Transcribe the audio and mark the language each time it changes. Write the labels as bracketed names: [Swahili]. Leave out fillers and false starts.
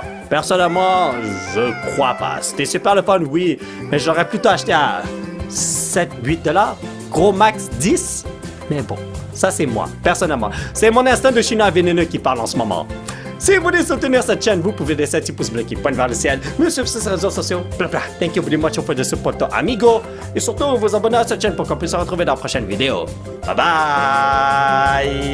[French] Personnellement, je crois pas. C'était super le fun, oui, mais j'aurais plutôt acheté à 7-8$, gros max 10, mais bon. Ça, c'est moi, personnellement. C'est mon instinct de chinois vénéneux qui parle en ce moment. Si vous voulez soutenir cette chaîne, vous pouvez laisser un petit pouce bleu qui pointe vers le ciel. Mais sur ces réseaux sociaux, blablabla. [English] Thank you very much for the support, amigo. [French] Et surtout, vous abonner à cette chaîne pour qu'on puisse se retrouver dans la prochaine vidéo. Bye bye!